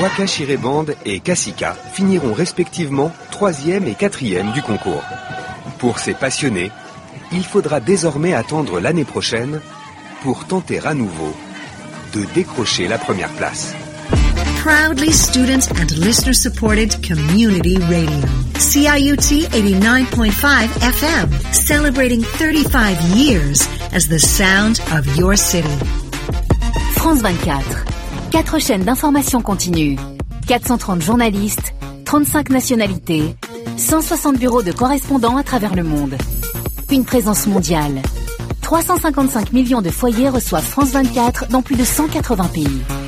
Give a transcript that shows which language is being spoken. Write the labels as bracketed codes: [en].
[fr] Waka Shireband et Cassica finiront respectivement 3e et 4e du concours. Pour ces passionnés, il faudra désormais attendre l'année prochaine pour tenter à nouveau de décrocher la première place. [en] Proudly student and listener supported community radio. CIUT 89.5 FM, celebrating 35 years as the sound of your city. [fr] France 24. 4 chaînes d'information continue, 430 journalistes, 35 nationalités, 160 bureaux de correspondants à travers le monde. Une présence mondiale. 355 millions de foyers reçoivent France 24 dans plus de 180 pays.